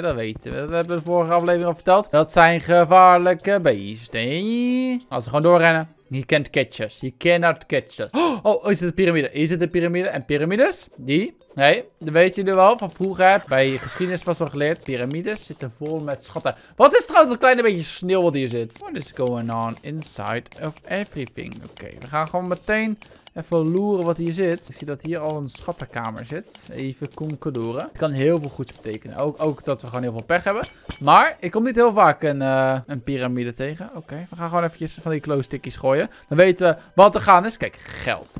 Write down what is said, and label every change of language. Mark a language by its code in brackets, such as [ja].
[nl] Dat weten we. Dat hebben we de vorige aflevering al verteld. Dat zijn gevaarlijke beesten. Als we gewoon doorrennen. [en] You can't catch us. [nl] You cannot catch us. Oh, is het een piramide? Is het een piramide? En piramides? Die? Nee, dat weet je nu wel. Van vroeger heb bij geschiedenis was al geleerd. Piramides zitten vol met schatten. Wat is trouwens een klein beetje sneeuw wat hier zit? [en] What is going on inside of everything? [nl] Oké, we gaan gewoon meteen even loeren wat hier zit. Ik zie dat hier al een schattenkamer zit. Even concluderen. Het kan heel veel goeds betekenen. Ook dat we gewoon heel veel pech hebben. Maar ik kom niet heel vaak een piramide tegen. Oké, we gaan gewoon eventjes van die klo-stickies gooien. Dan weten we wat er gaan is. Kijk, geld.